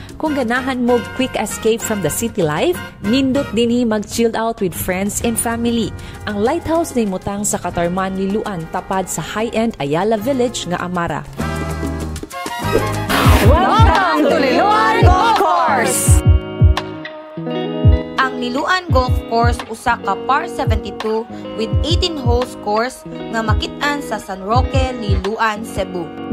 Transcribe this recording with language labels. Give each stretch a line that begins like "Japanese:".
Cebuano: Kung ganahan mo
English: quick escape from the city life,
Cebuano: nindot dinhi mag-chill out
English: with friends and family.
Cebuano: Ang lighthouse nimutang sa Katarman Liloan tapad sa high-end Ayala Village nga Amara.
English: Welcome to Liloan Golf Course!
Cebuano: Ang Liloan Golf Course usa ka par 72
English: with 18 holes course
Cebuano: nga makit-an sa San Roque, Liloan, Cebu.